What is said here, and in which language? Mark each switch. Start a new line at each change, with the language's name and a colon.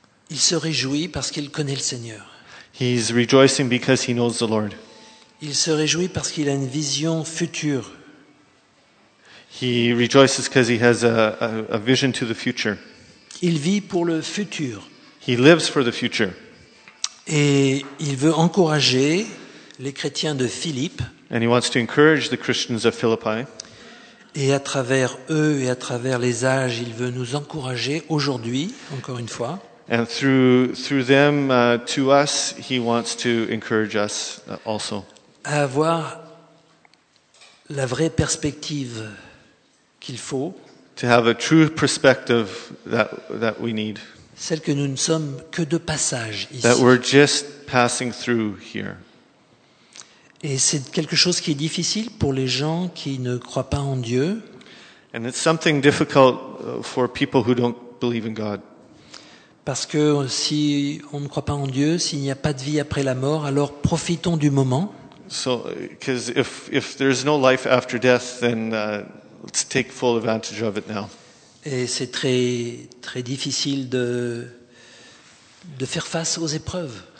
French: Il se réjouit parce qu'il connaît le Seigneur.
English: He's rejoicing because he knows the Lord.
French: Il se réjouit parce qu'il a une vision future.
English: He rejoices because he has a vision to the future.
French: Il vit pour le futur.
English: He lives for the future.
French: Et il veut encourager les chrétiens de Philippe.
English: And he wants to encourage the Christians of Philippi.
French: Et à travers eux et à travers les âges, il veut nous encourager aujourd'hui, encore une fois.
English: And through them to us, he wants to encourage us also.
French: À avoir la vraie perspective qu'il faut.
English: To have a true perspective that we need.
French: Celle que nous ne sommes que de passage ici.
English: That we're just passing through here.
French: Et c'est quelque chose qui est difficile pour les gens qui ne croient pas en Dieu.
English: And it's something difficult for people who don't believe in God.
French: Parce que si on ne croit pas en Dieu, s'il n'y a pas de vie après la mort, alors profitons du moment.
English: So, because if there's no life after death, then let's take full advantage of it now.
French: Et c'est très très difficile de faire face aux épreuves.